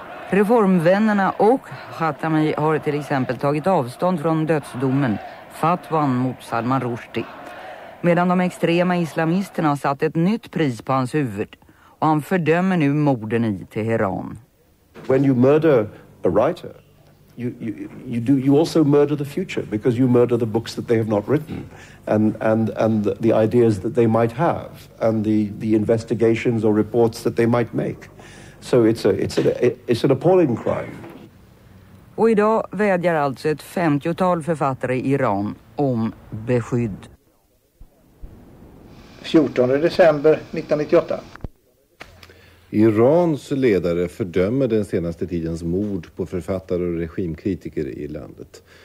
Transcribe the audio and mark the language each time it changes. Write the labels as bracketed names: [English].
[Swedish] Reformvännerna och Khatami har till exempel tagit avstånd från dödsdomen fatwan mot Salman Rushdie. Medan de extrema islamisterna har satt ett nytt pris på hans huvud och han fördömer nu morden i Teheran. [English] When you murder a writer, you also murder the future because you murder the books that they have not written and the ideas that they might have and the investigations or reports that they might make. So it's an appalling crime. [Swedish] Och idag vädjar alltså ett 50-tal författare i Iran om beskydd. 14 december 1998. Irans ledare fördömer den senaste tidens mord på författare och regimkritiker i landet.